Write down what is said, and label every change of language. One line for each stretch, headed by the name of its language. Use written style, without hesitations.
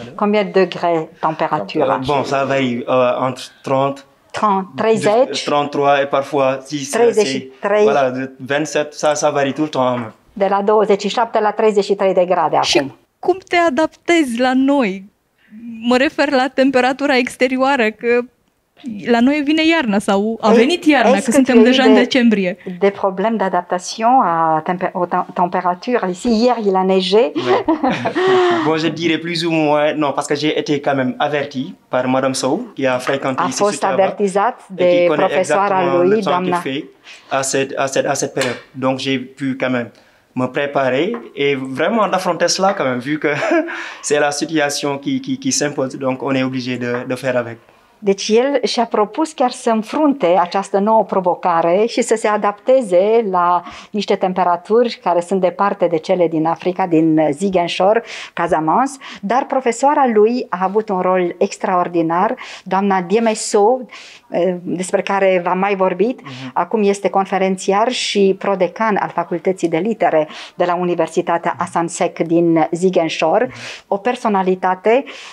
French: Combien de degrés température? Bon, ça varie entre 30... 30, 33 et parfois 33. Voilà, 27, ça varie tout le temps.
Romanian: De la 27 la 33 de grade acum. Și cum te adaptezi la noi? Mă refer la temperatura exterioară, că La noi vine iarna sau a venit iarna, că suntem deja în decembrie.
French: De probleme d'adaptation à température ici. Hier, il a neigé. Bon, je dirais plus ou moins, non, parce que j'ai été quand même averti par Madame Sou, qui a fréquenté ici.
Romanian: A fost avertizat de profesoara lui, doamna.
French: À cette période. Donc, j'ai pu quand même me préparer et vraiment d'affronter cela quand même, vu que c'est la situation qui s'impose, donc on est obligé de faire avec.
Romanian: Deci el și-a propus chiar să înfrunte această nouă provocare și să se adapteze la niște temperaturi care sunt departe de cele din Africa, din Ziguinchor, Casamance, dar profesoara lui a avut un rol extraordinar, doamna Diemesou, despre care v-am mai vorbit, acum este conferențiar și prodecan al Facultății de Litere de la Universitatea Hassan Sec din Ziguinchor, o personalitate,